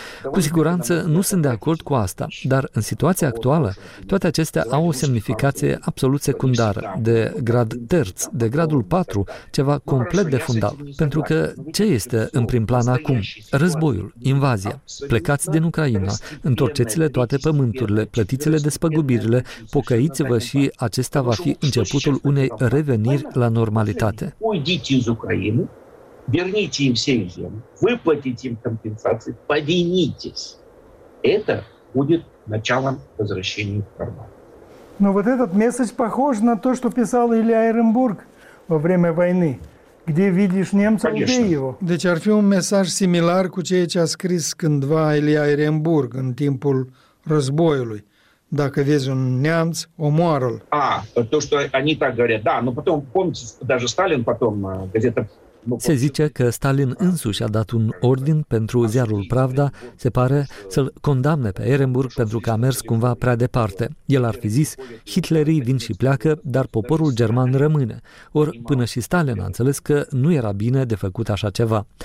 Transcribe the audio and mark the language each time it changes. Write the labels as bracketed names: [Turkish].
[Romanian] Cu siguranță nu sunt de acord cu asta, dar în situația actuală, toate acestea au o semnificație absolut secundară, de grad terț, de gradul 4, ceva complet de fundal. Pentru că ce este în prim plan acum? Războiul, invazia. Plecați din Ucraina, întorceți-le toate pământurile, plătiți-le despăgubirile, pocăiți-vă și acesta va fi începutul unei reveniri la normalitate. [Ukrainian] Уйдіть із України, верніть їм всі землі, виплатіть їм компенсації, повинітесь. Це буде початком повернення в нормальність. [Russian] Ну, вот этот месседж похож на то, [Ukrainian] що писав [Russian] Ілля Ерембург во время войны. Где видишь немца, убей его. [Romanian] Deci ar fi un mesaj similar cu ceea ce a scris cândva Ilia Ehrenburg în timpul războiului. Dacă vezi un neamț, omoară-l. [Russian] А, то что они так говорят. Да, но потом помните, даже Сталин потом газета. [Romanian] Se zice că Stalin însuși a dat un ordin pentru ziarul Pravda, se pare, să-l condamne pe Ehrenburg pentru că a mers cumva prea departe. El ar fi zis, Hitlerii vin și pleacă, dar poporul german rămâne. Ori până și Stalin a înțeles că nu era bine de făcut așa ceva.